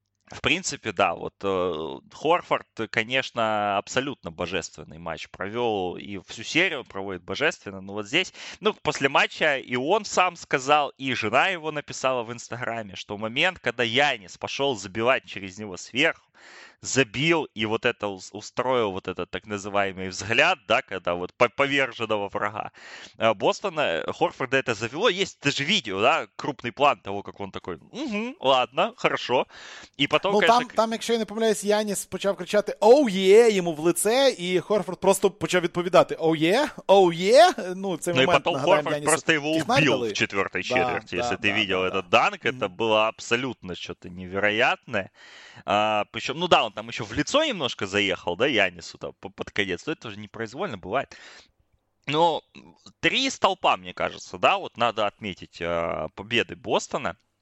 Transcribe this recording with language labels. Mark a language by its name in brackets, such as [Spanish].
[Russian] В принципе, да, вот Хорфорд, конечно, абсолютно божественный матч провел, и всю серию проводит божественно, но вот здесь, ну, после матча и он сам сказал, и жена его написала в Инстаграме, что момент, когда Янис пошел забивать через него сверху, забил и вот это устроил вот этот так называемый взгляд, да, когда вот поверженного врага Бостона, Хорфорда это завело. Есть даже видео, да, крупный план того, как он такой, угу, ладно, хорошо. И потом, ну, конечно... [Ukrainian] Ну, там, якщо я не помиляюсь, Яніс почав кричати «Оу, oh, є!» yeah! йому в лице, і Хорфорд просто почав відповідати «Оу, є! Оу, є!» Ну, цей момент, ну, і потом Хорфорд Янісу просто його вбив в четвертій четверті, якщо ти бачив цей данк, це було абсолютно щось невероятне. [Russian] Причому, ну, да, он там еще в лицо немножко заехал, да, Янису там под конец, но это же непроизвольно бывает. Но три столпа, мне кажется, да, вот надо отметить победы Бостона.